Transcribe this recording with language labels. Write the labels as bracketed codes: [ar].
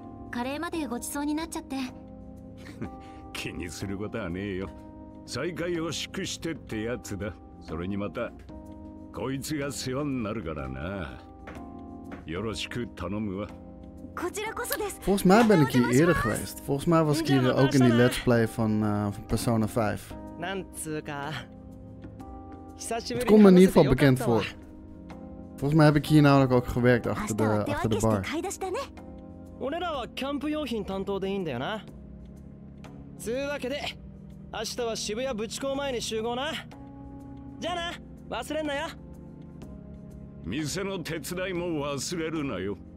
[ja] カレーまでごちそうになっちゃって気にすることはねえよ。再会を祝してってやつだ。それにまたこいつが世話になるからな。よろしく頼むわ。こちらこそです。 [nl] Volgens mij ben ik hier eerder geweest. Volgens mij was ik hier ook in die let's play van Persona 5. [ja] なんつーか、久しぶり。 [nl] Het komt me in ieder geval bekend voor. Volgens mij heb ik hier namelijk ook gewerkt achter de bar. [ja] 明日は手分けして買い出したね。俺らはキャンプ用品担当でいいんだよな。つうわけで明日は渋谷ぶち交前に集合な。じゃあな、忘れんなよ。店の手伝いも忘れるなよ。